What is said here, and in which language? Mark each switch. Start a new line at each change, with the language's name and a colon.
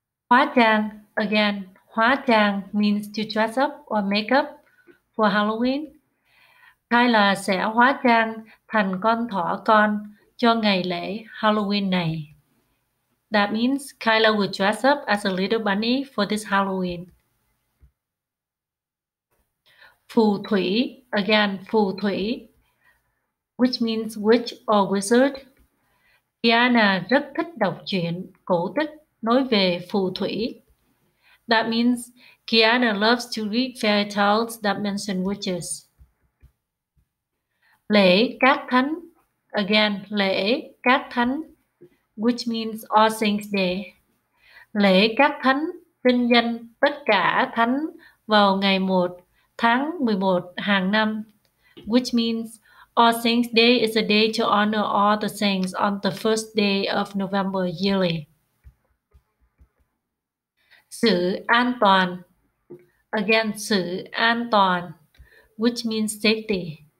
Vietnamese: Hóa trang,
English: again.
Vietnamese: Hóa trang
English: means to dress up or make up for Halloween.
Vietnamese: Kyla sẽ hóa trang thành con thỏ con cho ngày lễ Halloween này.
English: That means Kyla will dress up as a little bunny for this Halloween. Phù thủy, again, phù thủy, which means witch or wizard.
Vietnamese: Kiana rất thích đọc truyện cổ tích nói về phù thủy.
English: That means Kiana loves to read fairy tales that mention witches. Lễ các thánh, again, lễ các thánh, which means All Saints Day.
Vietnamese: Lễ các thánh vinh danh tất cả thánh vào ngày 1 tháng 11 hàng năm,
English: which means All Saints Day is a day to honor all the saints on the first day of November yearly.
Vietnamese: Sự an toàn,
English: again,
Vietnamese: sự an toàn,
English: which means safety.